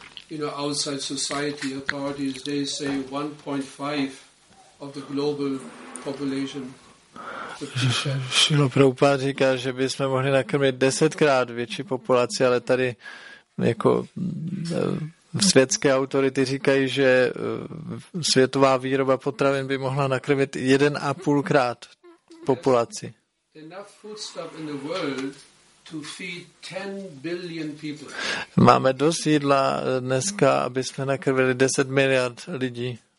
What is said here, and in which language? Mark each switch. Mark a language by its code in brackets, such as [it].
[en] You know, outside society authorities, they say 1.5 of the global population. [cs] Srila Prabhupada říká, že bychom mohli nakrmit 10x větší populaci, ale tady jako světské autority říkají, že světová výroba potravin by mohla nakrmit 1.5x populaci. [en] Enough foodstuff in the world to feed 10 billion people. [cs] Máme dost jídla dneska, aby jsme nakrvili 10 miliard lidí.